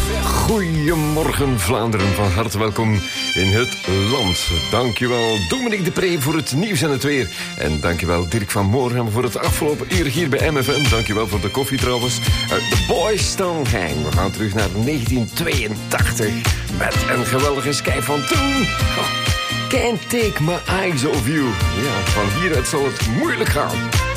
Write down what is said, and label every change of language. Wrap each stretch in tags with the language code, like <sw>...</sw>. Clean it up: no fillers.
<nl>Goedemorgen Vlaanderen, van harte welkom in het land. Dankjewel Dominic de Pre voor het nieuws en het weer. En dankjewel Dirk van Moorham voor het afgelopen uur hier bij MFM. Dankjewel voor de koffie trouwens. The Boys Don't Hang. We gaan terug naar 1982. Met een geweldige skype van toen.</nl> <en>Oh, can't take my eyes off you.</en> <nl>Ja, van hieruit zal het moeilijk gaan.</nl>